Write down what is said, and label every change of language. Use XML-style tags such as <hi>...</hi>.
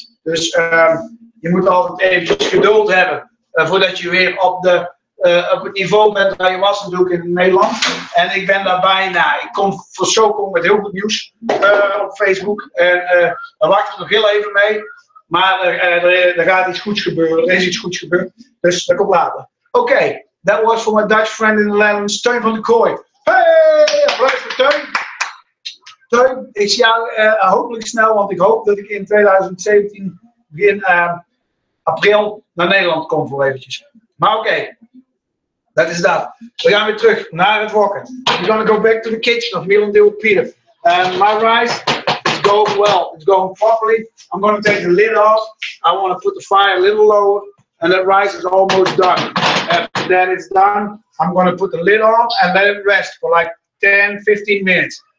<nl>Dus je moet altijd eventjes geduld hebben voordat je weer op het niveau bent waar je was natuurlijk in Nederland. En ik ben daar bijna. Ik kom voor zo kom met heel veel nieuws op Facebook. En daar wacht ik nog heel even mee. Maar er gaat iets goeds gebeuren. Er is iets goeds gebeurd. Dus dat komt later.</nl> <en>Oké, that was for my Dutch friend in the Netherlands, Teun van de Kooi.</en> <nl>Hey, applaus voor Teun. Teun, ik zie jou hopelijk snel, want ik hoop dat ik in 2017... in april naar Nederland kom voor eventjes. Maar oké, dat is dat. We gaan weer terug naar het wokken.</nl> <en>We're gonna go back to the kitchen of Milan de Pieter. My rice is going well. It's going properly. I'm gonna take the lid off. I want to put the fire a little lower. And that rice is almost done. After that is done, I'm gonna put the lid on and let it rest for like 10, 15 minutes.</en>